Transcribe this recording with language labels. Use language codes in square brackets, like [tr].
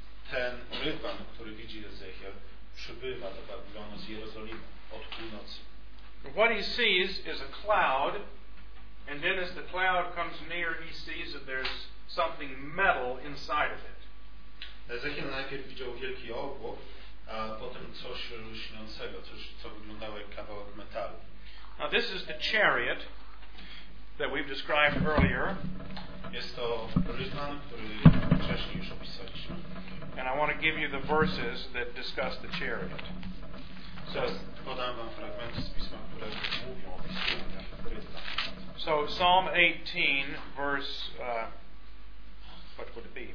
[pl] Ten rydwan, który widzi Ezechiel, przybywa do Babilonu z Jerozolimy od północy. [en] What he sees is a cloud, and then as the cloud comes near, he sees that there's something metal inside of it. [pl] Ezechiel najpierw widział wielki obłok, a potem coś lśniącego, coś, co wyglądało jak kawałek metalu. [en] Now this is the chariot that we've described earlier. [pl] Jest to rydwan, który wcześniej już opisaliśmy. [en] And I want to give you the verses that discuss the chariot. [pl] So, podam wam fragmenty z pisma, które mówią o wspomnianym rydwanie. [en] So, Psalm 18, verse, what would it be?